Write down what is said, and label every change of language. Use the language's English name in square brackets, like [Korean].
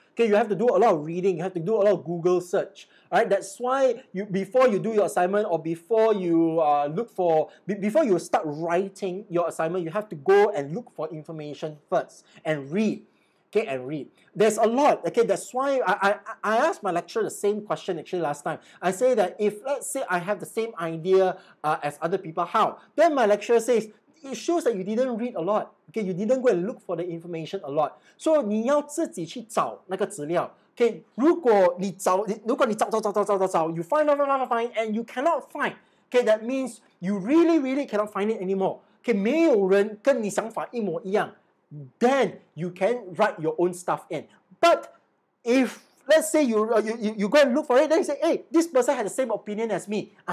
[English] Okay, you have to do a lot of reading, you have to do a lot of Google search. Alright, that's why you before you do your assignment or before you look for before you start writing your assignment, you have to go and look for information first and read. Okay, and read. There's a lot. Okay, that's why I asked my lecturer the same question actually last time. I say that if, let's say, I have the same idea as other people, how? Then my lecturer says, it shows that you didn't read a lot. Okay, you didn't go and look for the information a lot. [Chinese] So, 你要自己去找那个资料. [English] Okay, [Chinese] 如果你找, [English] you find, and you cannot find. Okay, that means you really, really cannot find it anymore. [Chinese] Okay, 没有人跟你想法一模一样. [English] Then you can write your own stuff in. But if, let's say, you go and look for it, then you say, hey, this person had the same opinion as me.